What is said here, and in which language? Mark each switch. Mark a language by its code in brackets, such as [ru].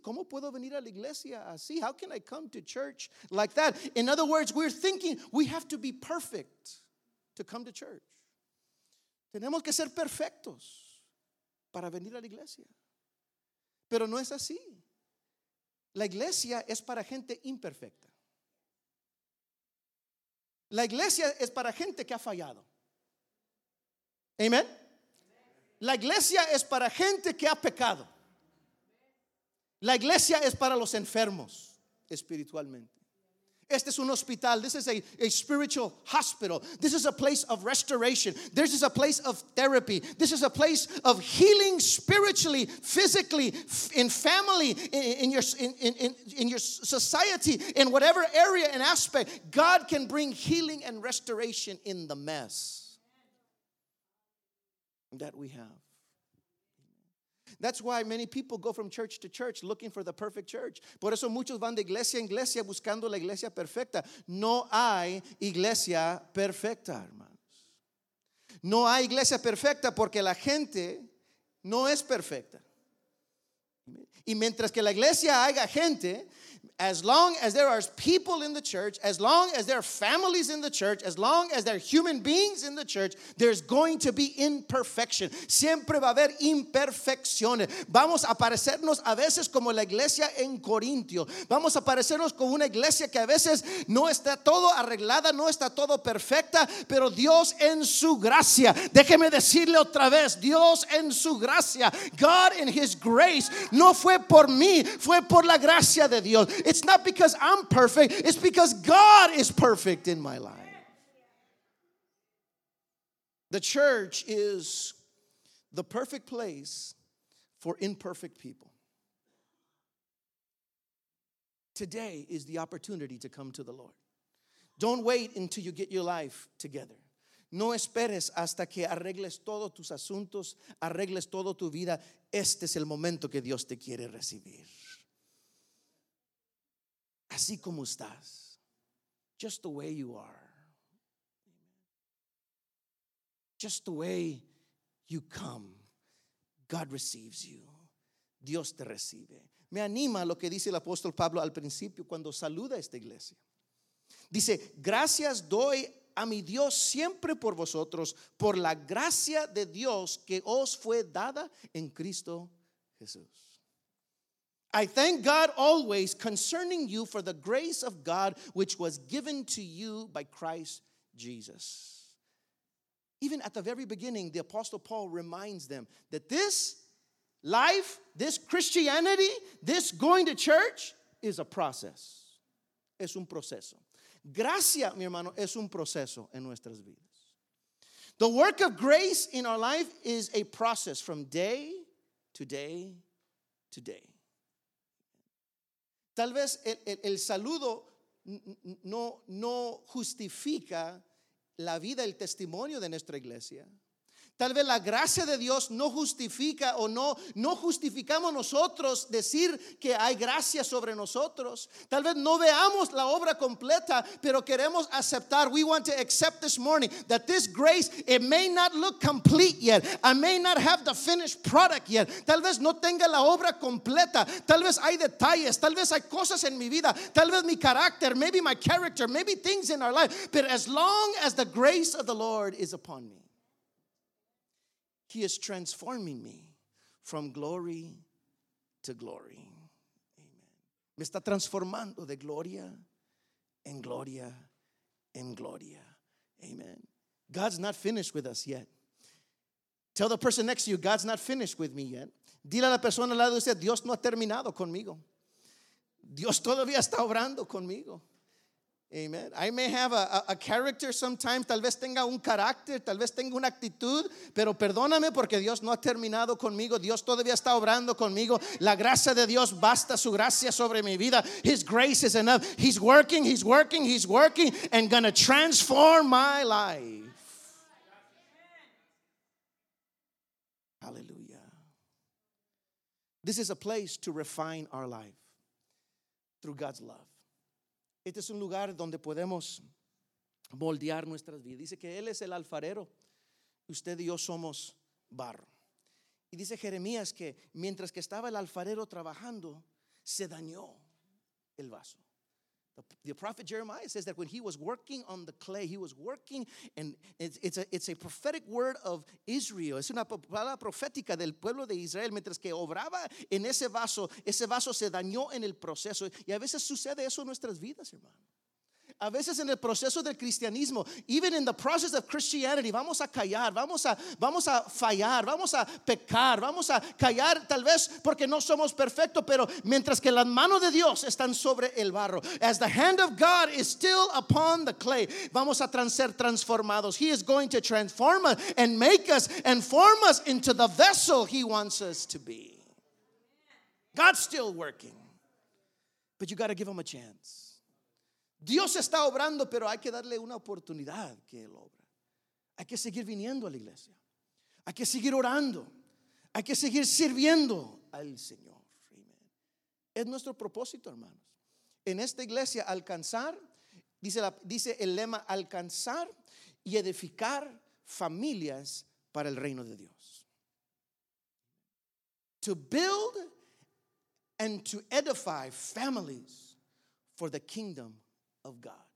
[es] ¿Cómo puedo venir a la iglesia así? [en] How can I come to church like that? In other words, we're thinking we have to be perfect to come to church. [es] Tenemos que ser perfectos para venir a la iglesia. Pero no es así. La iglesia es para gente imperfecta. La iglesia es para gente que ha fallado. Amén. La iglesia es para gente que ha pecado. La iglesia es para los enfermos espiritualmente. Este es un hospital. [en] This is a spiritual hospital. This is a place of restoration. This is a place of therapy. This is a place of healing spiritually, physically, in family, in your society, in whatever area and aspect. God can bring healing and restoration in the mess that we have. That's why many people go from church to church looking for the perfect church. [es] Por eso muchos van de iglesia en iglesia buscando la iglesia perfecta. No hay iglesia perfecta, hermanos. No hay iglesia perfecta porque la gente no es perfecta. Y mientras que la iglesia haya gente, [en] as long as there are people in the church, as long as there are families in the church, as long as there are human beings in the church, there's going to be imperfection. [es] Siempre va a haber imperfecciones. Vamos a parecernos a veces como la iglesia en Corintio. Vamos a parecernos como una iglesia que a veces no está todo arreglada, no está todo perfecta, pero Dios en su gracia. Déjeme decirle otra vez, Dios en su gracia. [en] God in his grace. [es] No fue por mí, fue por la gracia de Dios. [en] It's not because I'm perfect. It's because God is perfect in my life. The church is the perfect place for imperfect people. Today is the opportunity to come to the Lord. Don't wait until you get your life together. [es] No esperes hasta que arregles todos tus asuntos, arregles toda tu vida. Este es el momento que Dios te quiere recibir. Así como estás, [en] just the way you are, just the way you come, God receives you, [es] Dios te recibe. Me anima lo que dice el apóstol Pablo al principio cuando saluda a esta iglesia. Dice, gracias doy a mi Dios siempre por vosotros, por la gracia de Dios que os fue dada en Cristo Jesús. [en] I thank God always concerning you for the grace of God which was given to you by Christ Jesus. Even at the very beginning, the Apostle Paul reminds them that this life, this Christianity, this going to church is a process. [es] Es un proceso. Gracia, mi hermano, es un proceso en nuestras vidas. [en] The work of grace in our life is a process from day to day to day. [es] Tal vez el saludo no justifica la vida, el testimonio de nuestra iglesia. Tal vez la gracia de Dios no justifica o no justificamos nosotros decir que hay gracia sobre nosotros. Tal vez no veamos la obra completa, pero queremos aceptar. [en] We want to accept this morning that this grace, it may not look complete yet. I may not have the finished product yet. [es] Tal vez no tenga la obra completa. Tal vez hay detalles. Tal vez hay cosas en mi vida. Tal vez mi carácter, [en] maybe my character, maybe things in our life. But as long as the grace of the Lord is upon me, He is transforming me from glory to glory. Amen. [es] Me está transformando de gloria en gloria en gloria. Amen. [en] God's not finished with us yet. Tell the person next to you, God's not finished with me yet. [es] Dile a la persona al lado de usted, Dios no ha terminado conmigo. Dios todavía está obrando conmigo. Amen. [en] I may have a character sometimes, [es] tal vez tenga un carácter, tal vez tenga una actitud, pero perdóname porque Dios no ha terminado conmigo. Dios todavía está obrando conmigo. La gracia de Dios basta, su gracia sobre mi vida. [en] His grace is enough. He's working, he's working, he's working, and gonna transform my life. Hallelujah. This is a place to refine our life through God's love. [es] Este es un lugar donde podemos moldear nuestras vidas. Dice que Él es el alfarero, usted y yo somos barro. Y dice Jeremías que mientras que estaba el alfarero trabajando, se dañó el vaso. [en] The prophet Jeremiah says that when he was working on the clay, he was working, and it's a prophetic word of Israel. [es] Es una palabra profética del pueblo de Israel. Mientras que obraba en ese vaso se dañó en el proceso. Y a veces sucede eso en nuestras vidas, hermano. A veces en el proceso del cristianismo, [en] even in the process of Christianity, [es] vamos a callar, vamos a fallar, vamos a pecar, vamos a callar tal vez porque no somos perfectos, pero mientras que las manos de Dios están sobre el barro, [en] as the hand of God is still upon the clay, [es] vamos a ser transformados. [en] He is going to transform us and make us and form us into the vessel he wants us to be. God's still working, but you got to give him a chance. [es] Dios está obrando, pero hay que darle una oportunidad que Él obra. Hay que seguir viniendo a la iglesia. Hay que seguir orando. Hay que seguir sirviendo al Señor. Amen. Es nuestro propósito, hermanos. En esta iglesia, alcanzar, dice el lema, alcanzar y edificar familias para el reino de Dios. [en] To build and to edify families for the kingdom of God.